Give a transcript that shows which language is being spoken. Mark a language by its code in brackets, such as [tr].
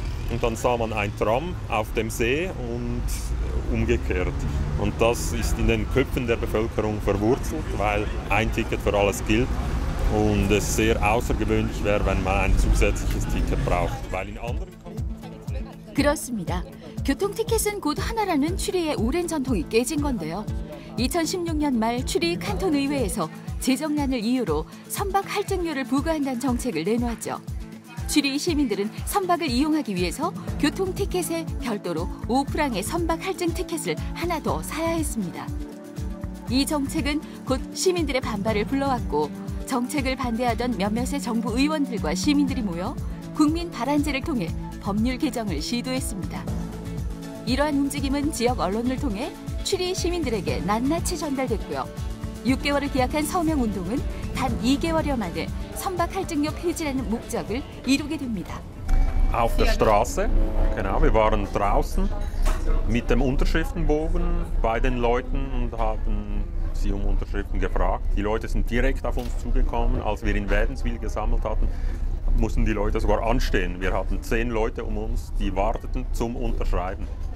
[de] Und dann sah man ein Tram auf dem See und umgekehrt. Und das ist in den Köpfen der Bevölkerung verwurzelt, weil ein Ticket für alles gilt. Und es sehr außergewöhnlich wäre, wenn man ein zusätzliches Ticket braucht. Weil in anderen Kanten... [ko] 그렇습니다. 교통티켓은 곧 하나라는 취리의 오랜 전통이 깨진 건데요. 2016년 말 취리 칸톤의회에서 재정난을 이유로 선박 할증료를 부과한다는 정책을 내놓았죠. 취리 시민들은 선박을 이용하기 위해서 교통티켓에 별도로 5프랑의 선박 할증 티켓을 하나 더 사야 했습니다. 이 정책은 곧 시민들의 반발을 불러왔고 정책을 반대하던 몇몇의 정부 의원들과 시민들이 모여 국민 발안제를 통해 법률 개정을 시도했습니다. 이러한 움직임은 지역 언론을 통해 취리 시민들에게 낱낱이 전달됐고요. 6개월을 기약한 서명운동은 단 2개월여 만에 선박 할증료 폐지라는 목적을 이루게 됩니다. [de] Auf der Straße, genau, wir waren draußen mit dem Unterschriftenbogen bei den Leuten und haben sie um Unterschriften gefragt. Die Leute sind direkt auf uns zugekommen. Als wir in Wädenswil gesammelt hatten, mussten die Leute sogar anstehen. Wir hatten 10 Leute um uns, die warteten zum Unterschreiben.